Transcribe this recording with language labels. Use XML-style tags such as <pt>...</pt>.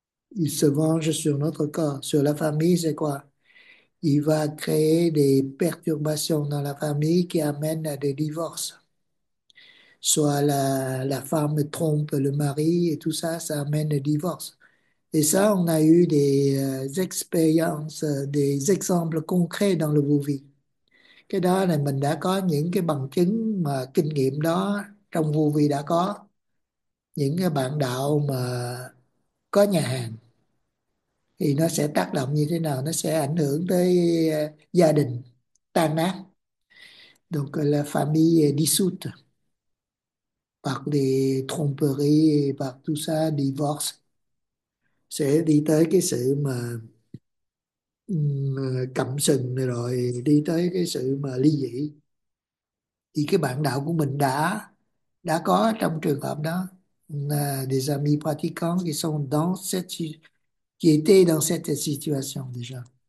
<fr>Ils se vengent sur notre corps. Sur la famille, c'est quoi? Il va créer des perturbations dans la famille qui amènent à des divorces. Soit la femme trompe le mari et tout ça amène au divorce. Et ça, on a eu des expériences, des exemples concrets dans le Vouvie.</fr> <vi>Cái đó là mình đã có những cái bằng chứng mà kinh nghiệm đó trong vô vi đã có những cái bạn đạo mà có nhà hàng thì nó sẽ tác động như thế nào, nó sẽ ảnh hưởng tới gia đình tan nát,</vi> <fr>donc là famille dissoute,</fr> <vi>hoặc đi tromperie, hoặc</vi> <fr>tout ça divorce,</fr> <vi>sẽ đi tới cái sự mà cắm sừng rồi đi tới cái sự mà ly dị. Thì cái bạn đạo của mình đã có trong trường hợp đó,</vi> <fr>On a des amis pratiquants qui sont dans cette, qui étaient dans cette situation déjà.</fr>